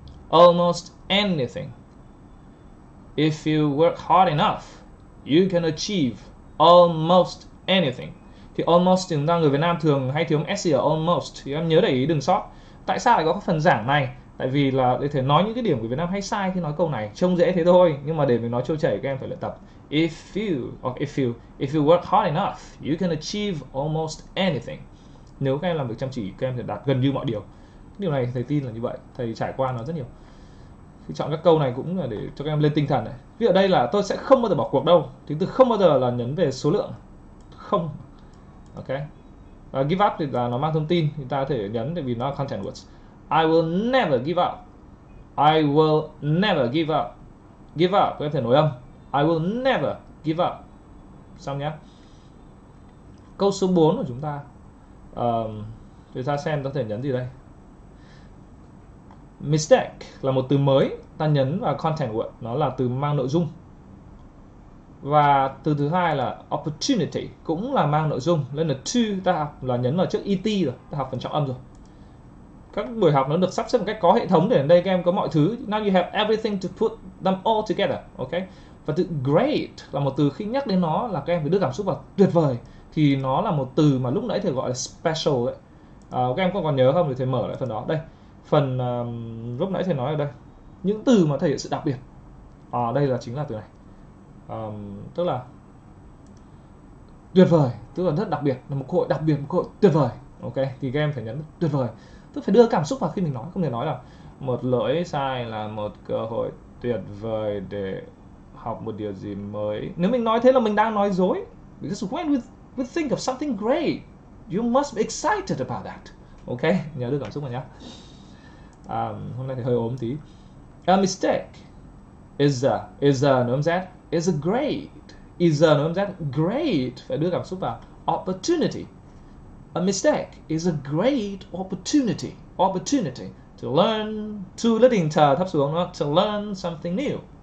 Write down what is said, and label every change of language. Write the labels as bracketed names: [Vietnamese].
[English] Almost anything. If you work hard enough, you can achieve almost anything. [Vietnamese] Thì almost thì chúng ta người Việt Nam thường hay thiếu s ở almost, thì em nhớ để ý đừng sót. Tại sao lại có phần giảng này? Tại vì là để thể nói những cái điểm của Việt Nam hay sai khi nói câu này, trông dễ thế thôi, nhưng mà để mình nói trôi chảy các em phải luyện tập. [English] If you work hard enough, you can achieve almost anything. [Vietnamese] Nếu các em làm việc chăm chỉ, các em sẽ đạt gần như mọi điều. Điều này thầy tin là như vậy, thầy trải qua nó rất nhiều. Thì chọn các câu này cũng là để cho các em lên tinh thần này. Ví dụ đây là tôi sẽ không bao giờ bỏ cuộc đâu. Thì từ không bao giờ là nhấn về số lượng. Không. Ok. Và give up thì là nó mang thông tin, thì ta có thể nhấn để vì nó là content words. [English] I will never give up. I will never give up. Give up, [Vietnamese] có thể nối âm. [English] I will never give up. [Vietnamese] Xong nhé. Câu số 4 của chúng ta. Để ta xem ta có thể nhấn gì đây. Mistake là một từ mới. Ta nhấn vào content word. Nó là từ mang nội dung. Và từ thứ hai là opportunity. Cũng là mang nội dung. Nên là to ta học là nhấn vào trước et rồi. Ta học phần trọng âm rồi. Các buổi học nó được sắp xếp một cách có hệ thống để ở đây các em có mọi thứ. [English] Now you have everything to put them all together. Ok. [Vietnamese] Và từ great là một từ khi nhắc đến nó là các em phải đưa cảm xúc vào tuyệt vời. Thì nó là một từ mà lúc nãy thầy gọi là special ấy. Các em có còn nhớ không? Thì thầy mở lại phần đó. Đây. Phần lúc nãy thầy nói ở đây. Những từ mà thể hiện sự đặc biệt. Đây là chính là từ này. Tức là tuyệt vời. Tức là rất đặc biệt. Là một cơ hội đặc biệt, một cơ hội tuyệt vời. Ok. Thì các em phải nhấn tuyệt vời. Tức phải đưa cảm xúc vào khi mình nói, không thể nói là một lỗi sai là một cơ hội tuyệt vời để học một điều gì mới. Nếu mình nói thế là mình đang nói dối. [English] Because when we think of something great, you must be excited about that. [Vietnamese] Ok, nhớ đưa cảm xúc vào nhá. Hôm nay thì hơi ốm tí. [English] A mistake is a [Vietnamese] z, is a great, is a nó z, great, phải đưa cảm xúc vào. Opportunity. [English] A mistake is a great opportunity to learn to [Vietnamese] lên thấp xuống nó [English] to learn something new.